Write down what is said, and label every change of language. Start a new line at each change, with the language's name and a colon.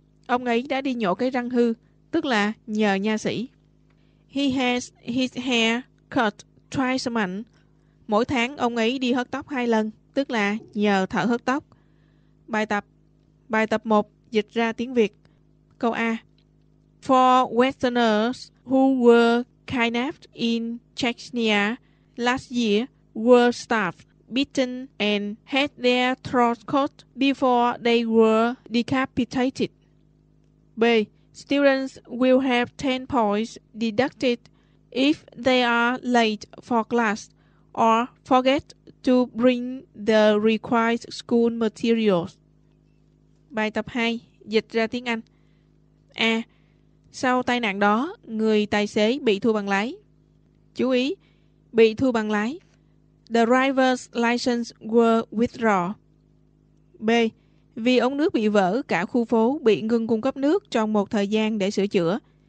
Vietnamese: Ông ấy đã đi nhổ cái răng hư, tức là nhờ nha sĩ.
English: He has his hair cut twice a month.
Vietnamese: Mỗi tháng ông ấy đi hớt tóc 2 lần, tức là nhờ thợ hớt tóc. Bài tập 1 dịch ra tiếng Việt. Câu A.
English: For Westerners who were kidnapped in Chechnya last year were starved, beaten and had their throats cut before they were decapitated. B. Students will have 10 points deducted if they are late for class or forget to bring the required school materials.
Vietnamese: Bài tập 2 dịch ra tiếng Anh. A. Sau tai nạn đó, người tài xế bị thu bằng lái. Chú ý, bị thu bằng lái.
English: The driver's license were withdrawn.
Vietnamese: B. Vì ống nước bị vỡ, cả khu phố bị ngừng cung cấp nước trong một thời gian để sửa chữa.